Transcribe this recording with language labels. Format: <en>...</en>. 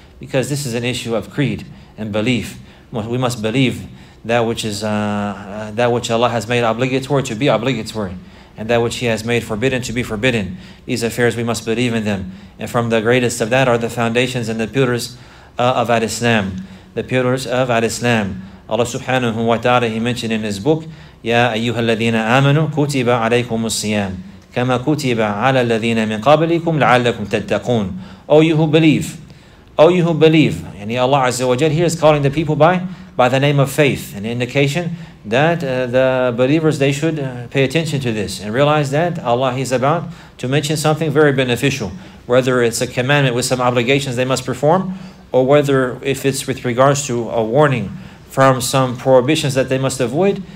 <en>Because this is an issue of creed and belief. We must believe that which is that which Allah has made obligatory to be obligatory, and that which He has made forbidden to be forbidden. These affairs, we must believe in them. And from the greatest of that are the foundations and the pillars of Al-Islam. The pillars of Al-Islam. Allah subhanahu wa ta'ala, He mentioned in His book,</en> <ar>يَا أَيُّهَا الَّذِينَ آمَنُوا كُتِبَ عَلَيْكُمُ الصِّيَامُ كَمَا كُتِبَ عَلَى الَّذِينَ مِنْ قَبْلِكُمْ لَعَلَّكُمْ تَتَّقُونَ.</ar> <en>O you who believe, O you who believe, and Allah Azza wa Jal here is calling the people by the name of faith, an indication that the believers, they should pay attention to this and realize that Allah is about to mention something very beneficial, whether it's a commandment with some obligations they must perform, or whether if it's with regards to a warning from some prohibitions that they must avoid.</en>